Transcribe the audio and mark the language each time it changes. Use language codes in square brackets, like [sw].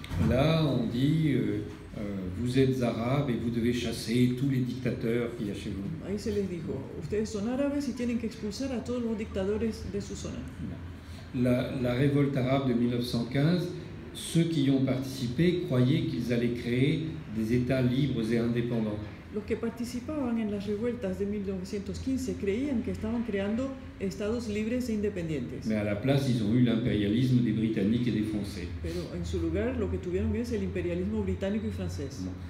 [fr] Là, on dit, vous êtes arabes et vous devez chasser tous les dictateurs qu'il y a chez vous. [es] Ahí se les dijo, ustedes son árabes y tienen que expulsar a todos los dictadores de su zona. [fr] La révolte arabe de 1915, ceux qui y ont participé croyaient qu'ils allaient créer des États libres et indépendants. [es] Los que participaban en las revueltas de 1915 creían que estaban creando estados libres e independientes. [fr] Mais à la place, ils ont eu l'impérialisme des Britanniques et des Français. [es] Pero en su lugar, lo que tuvieron es el imperialismo británico y francés.